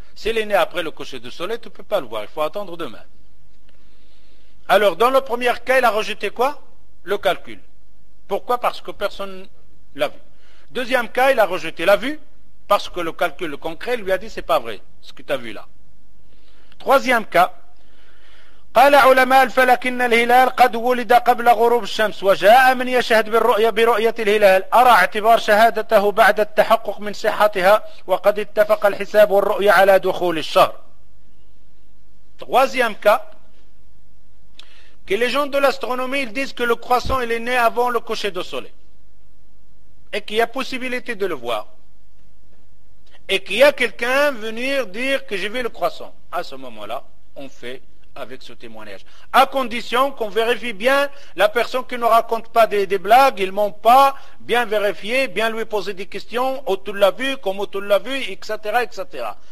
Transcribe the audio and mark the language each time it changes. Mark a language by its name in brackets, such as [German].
[French] S'il est né après le coucher du soleil, tu ne peux pas le voir. Il faut attendre demain. Alors, dans le premier cas, il a rejeté quoi? Le calcul. Pourquoi? Parce que personne ne l'a vu. Deuxième cas, il a rejeté la vue, parce que le calcul concret lui a dit, c'est pas vrai, ce que tu as vu là. Troisième cas, [Arabic] قال علماء الفلك إن الهلال قد ولد قبل غروب الشمس وجاء من يشهد بالرؤية برؤية الهلال أرى اعتبار شهادته بعد التحقق من صحتها وقد اتفق الحساب والرؤية على دخول الشهر. [French] Troisième cas, que les gens de l'astronomie ils disent que le croissant il est né avant le coucher de soleil et qu'il y a possibilité de le voir et qu'il y a quelqu'un venir dire que j'ai vu le croissant. À ce moment-là, on fait avec ce témoignage, à condition qu'on vérifie bien la personne qui ne raconte pas des blagues, il ne ment pas, bien vérifier, bien lui poser des questions, autour de la vue, comme autour de la vue, etc., etc.